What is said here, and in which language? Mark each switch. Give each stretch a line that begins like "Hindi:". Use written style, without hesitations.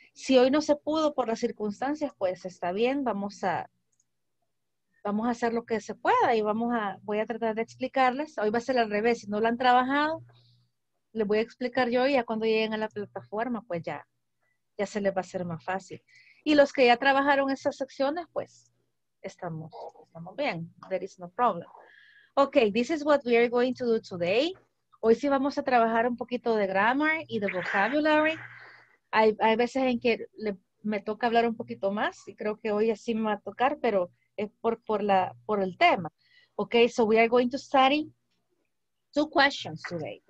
Spanish: Si hoy no se pudo por las circunstancias, pues está bien, vamos a hacer lo que se pueda y voy a tratar de explicarles. Hoy va a ser al revés, si no lo han trabajado, les voy a explicar yo y ya cuando lleguen a la plataforma, pues ya se les va a hacer más fácil. Y los que ya trabajaron esas secciones, pues, estamos bien.
English: There is no problem. Okay, this is what we are going to do today.
Spanish: Hoy sí vamos a trabajar un poquito de grammar y de vocabulary. Hay veces en que me toca hablar un poquito más y creo que hoy así me va a tocar, pero es por el tema.
English: Okay, so we are going to study two questions today.